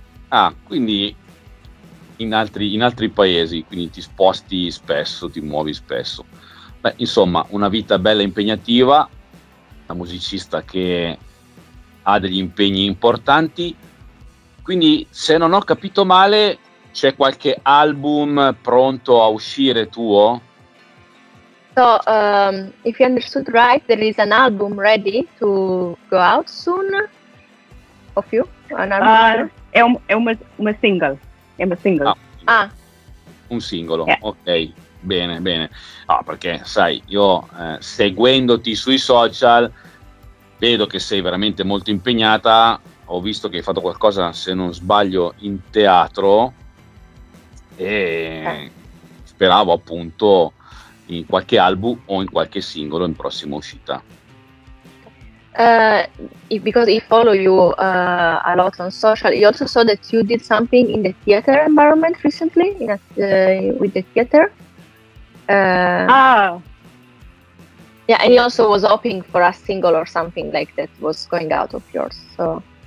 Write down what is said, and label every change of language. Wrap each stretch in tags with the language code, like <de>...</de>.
<it>Ah, quindi in altri paesi, quindi ti sposti spesso, ti muovi spesso. Beh, insomma, una vita bella e impegnativa, una musicista che ha degli impegni importanti, quindi se non ho capito male, c'è qualche album pronto a uscire tuo?</it> <en>So, if you understood right, there is an album ready to go out soon, of you? An album?</en> <it>È un single. Un singolo, yeah. Ok. Bene. Ah, perché sai, io seguendoti sui social vedo che sei veramente molto impegnata. Ho visto che hai fatto qualcosa, se non sbaglio, in teatro e speravo appunto in qualche album o in qualche singolo in prossima uscita.</it> <en>Because I follow you a lot on social, I also saw that you did something in the theater environment recently, with the theater. And he also was hoping for a single or something like that was going out of yours, so</en>